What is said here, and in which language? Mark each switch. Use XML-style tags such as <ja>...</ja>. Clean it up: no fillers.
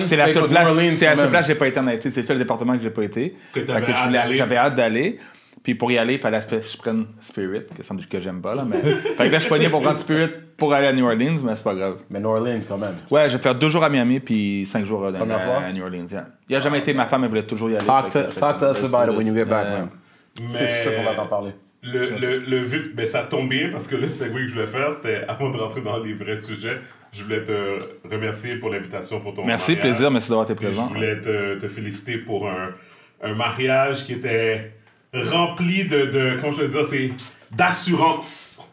<fr>C'est la seule place, j'ai pas été en Haïti. C'est le seul département que j'ai pas été. Que j'avais hâte d'aller. Puis pour y aller, il fallait que je prenne Spirit, que ça me dit que j'aime pas, là. Mais... fait que là, je suis pogné pour prendre Spirit pour aller à New Orleans, mais c'est pas grave. Mais New Orleans, quand même. Ouais, je vais faire 2 jours à Miami, puis 5 jours à New Orleans.</fr> <en>Yeah.</en> <fr>Il y a jamais été, ma femme, elle voulait toujours y aller.</fr> <en>Talk to us about it when you get back, man.</en> <fr>C'est sûr qu'on va t'en parler. Le vif, ben ça tombe bien, parce que le segue que je voulais faire, c'était avant de rentrer dans les vrais sujets. Je voulais te remercier pour l'invitation pour ton merci, mariage. Merci d'avoir été présent. Je voulais te féliciter pour un mariage qui était rempli de comment je vais dire, c'est d'assurance.</fr>